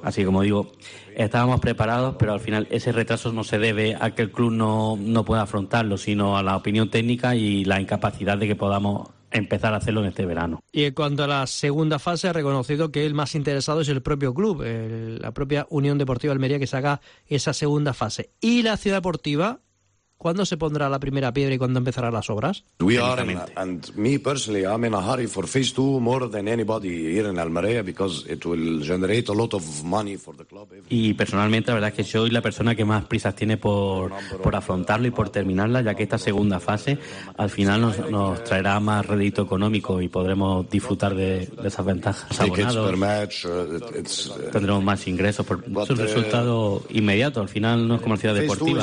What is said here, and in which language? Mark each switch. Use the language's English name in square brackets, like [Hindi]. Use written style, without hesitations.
[Spanish] Así que, como digo, estábamos preparados, pero al final ese retraso no se debe a que el club no pueda afrontarlo, sino a la opinión técnica y la incapacidad de que podamos empezar a hacerlo en este verano. Y en cuanto a la segunda fase, ha reconocido que el más interesado es el propio club, la propia Unión Deportiva Almería, que se haga esa segunda fase. ¿Y la Ciudad Deportiva? ¿Cuándo se pondrá la primera piedra y cuándo empezarán las obras? [English] I'm in a hurry for phase 2 more than anybody here in Almería because it will generate a lot of money for the club. [Spanish] Y personalmente, la verdad es que yo soy la persona que más prisas tiene por afrontarlo y por terminarla, ya que esta segunda fase al final nos traerá más rédito económico y podremos disfrutar de esas ventajas abonados. Tendremos más ingresos por su resultado inmediato. Al final no es como la Ciudad Deportiva.